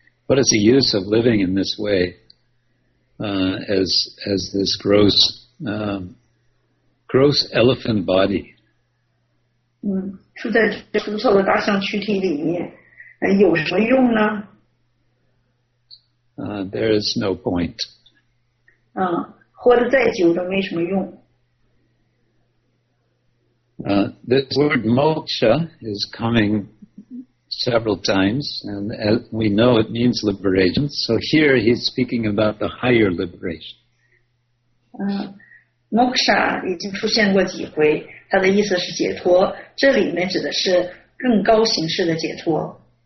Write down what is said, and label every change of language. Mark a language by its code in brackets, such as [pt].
[en] What is the use of living in this way, as this gross, gross elephant body. [zh] 住在粗糙的大象躯体里面，有什么用呢？ [en] There is no point. [zh] 活得再久都没什么用。 [en] This word moksha is coming several times, and we know it means liberation. So here he's speaking about the higher liberation. [zh] Moksha 已经出现过几回，它的意思是解脱，这里面指的是更高形式的解脱。